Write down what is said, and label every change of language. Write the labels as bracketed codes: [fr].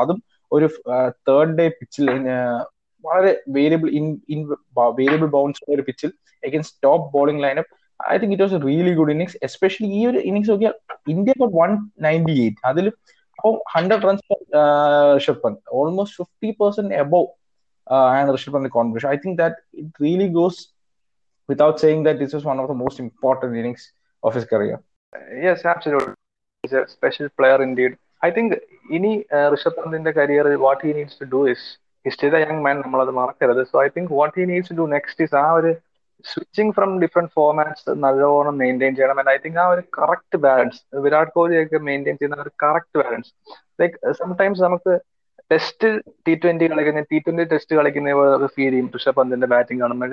[ml] അതും ഒരു third day പിച്ചിൽ, വളരെ വേരിയബിൾ ബൗൺസ് ഉള്ള ഒരു പിച്ചിൽ against top bowling line up, [en] I think it was really good innings. [ml] Especially ഈ ഒരു ഇന്നിങ്സ് നോക്കിയാൽ ഇന്ത്യ 198, അതിൽ അപ്പോൾ 100 runs Rishabh Pant, almost 50% above. [en] And Rishabh Pant's contribution, I think that it really goes without saying that this was one of the most important innings of his career. Yes, absolutely. He's a special player indeed. [ml] I think ഇനി ഋഷഭ് പന്തിന്റെ career [en] what he needs to do is he's a young man, [ml] നമ്മൾ അത് മറക്കരുത്. [en] so I think what he needs to do next is [ml] ആ ഒരു switching from different formats നല്ലോണം maintain ചെയ്യണം. And I think ആ ഒരു കറക്റ്റ് ബാലൻസ് വിരാട് കോഹ്ലി ഒക്കെ മെയിൻറ്റെയിൻ ചെയ്യുന്ന ഒരു കറക്റ്റ് ബാലൻസ്, ലൈക്ക് സംസ് നമുക്ക് ടെസ്റ്റ് T20 കളിക്കുന്ന T20 ടെസ്റ്റ് കളിക്കുന്ന പോലെ ഫീൽ ചെയ്യും ഋഷഭ് പന്തിന്റെ ബാറ്റിംഗ് കാണുമ്പോൾ.